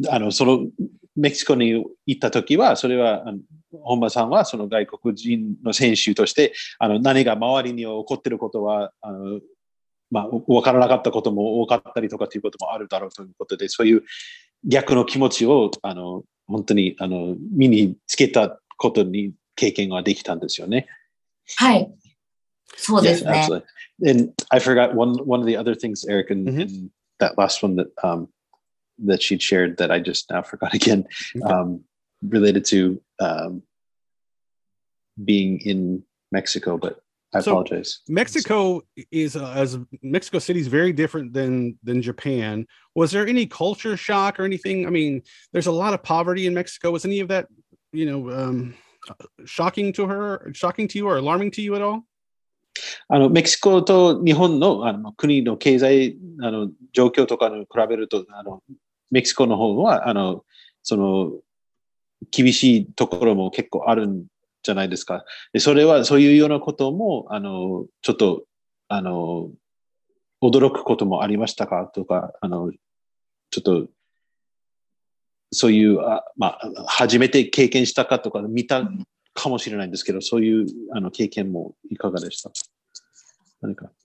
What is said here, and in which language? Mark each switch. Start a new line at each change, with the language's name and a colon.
Japanese: その、メキシコに行った時は、それは、本間さんはその外国人の選手として、何が周りに起こってることは、まあ、分からなかったことも多かったりとかということもあるだろうということで、そういう逆の気持ちを本当に身につけたことに経験はできたんですよね。はい。そうですね。
English: Yes, absolutely. And I forgot one of the other things, Eric, and、mm-hmm. that last one that she'd shared that I just now forgot again,、mm-hmm. Related to being in Mexico, but... I apologize. So Mexico Mexico City is very different than Japan. Was there any culture shock or anything? I mean, there's a lot of poverty in Mexico. Was any of that, shocking to her, shocking to you or alarming to you at all?
Japanese: メキシコと日本の国の経済状況とかに比べると、メキシコの方は厳しいところも結構あるんじゃないですか。で、それはそういうようなこともちょっと驚くこともありましたかとか、ちょっとそういう初めて経験したかとか見たかもしれないんですけど、そういう経験もいかがでした何か。